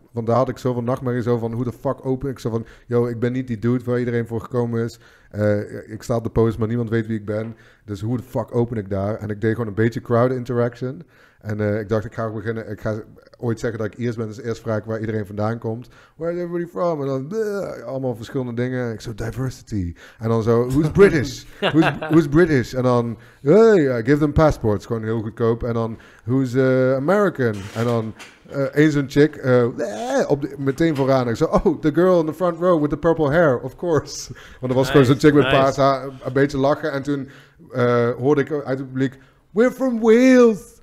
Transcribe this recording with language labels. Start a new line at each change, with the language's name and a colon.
Dutch: Want daar had ik zoveel nachtmerrie zo van, hoe de fuck open? Ik zo van, yo, ik ben niet die dude waar iedereen voor gekomen is. Ik sta op de post, maar niemand weet wie ik ben. Dus hoe de fuck open ik daar? En ik deed gewoon een beetje crowd interaction. En ik dacht, ik ga beginnen. Ik ga ooit zeggen dat ik eerst ben. Dus eerst vraag ik waar iedereen vandaan komt.
English: Where is everybody from?
Dutch: En dan allemaal verschillende dingen. Ik zo, diversity. En dan zo,
English: who's British? who's British?
Dutch: En dan,
English: hey, give them passports.
Dutch: Gewoon heel goedkoop. En dan,
English: who's American?
Dutch: En dan... eens een chick, meteen vooraan. Ik zei, oh,
English: the girl in the front row with the purple hair, of course.
Dutch: Want er was gewoon zo'n chick met paars haar, een beetje lachen. En toen hoorde ik uit het publiek,
English: we're from Wales.